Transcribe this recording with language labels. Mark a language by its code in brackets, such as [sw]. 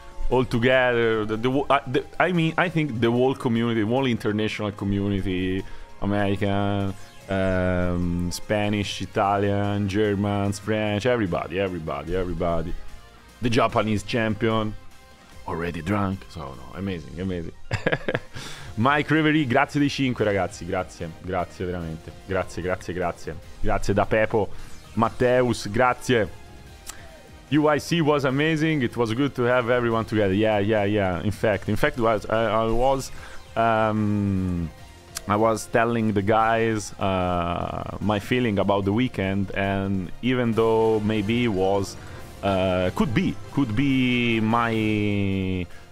[en] All together I mean, I think the whole community, whole international community, American, Spanish, Italian, Germans, French, everybody. The Japanese champion, already drunk, so no, amazing. [it] Mike Rivery, grazie dei 5, ragazzi, grazie veramente, grazie da Pepo, Matteus, grazie. [en] UIC was amazing, it was good to have everyone together, yeah, in fact, I was telling the guys my feeling about the weekend, and even though maybe it was could be my